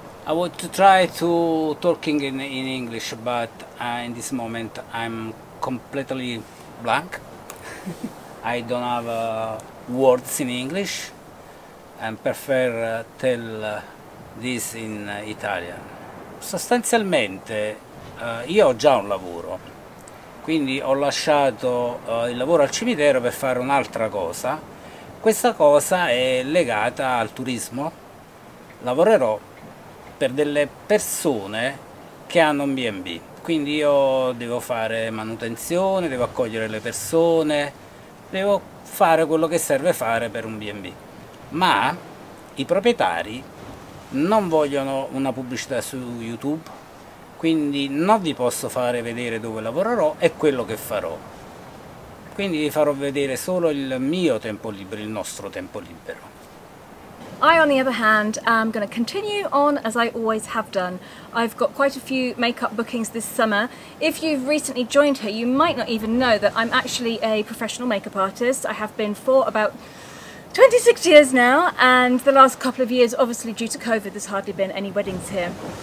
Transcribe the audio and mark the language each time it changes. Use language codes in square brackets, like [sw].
[en] I want to try to talking in English, but in this moment I'm completely blank. I don't have words in English and prefer tell this in Italian. [it] Sostanzialmente io ho già un lavoro, quindi ho lasciato il lavoro al cimitero per fare un'altra cosa. Questa cosa è legata al turismo. Lavorerò per delle persone che hanno un B&B. Quindi io devo fare manutenzione, devo accogliere le persone, devo fare quello che serve fare per un B&B. Ma i proprietari non vogliono una pubblicità su YouTube, quindi non vi posso fare vedere dove lavorerò e quello che farò. Quindi vi farò vedere solo il mio tempo libero, il nostro tempo libero. [en] I, on the other hand, am going to continue on as I always have done. I've got quite a few makeup bookings this summer. If you've recently joined her, you might not even know that I'm actually a professional makeup artist. I have been for about 26 years now, and the last couple of years, obviously due to COVID, there's hardly been any weddings here.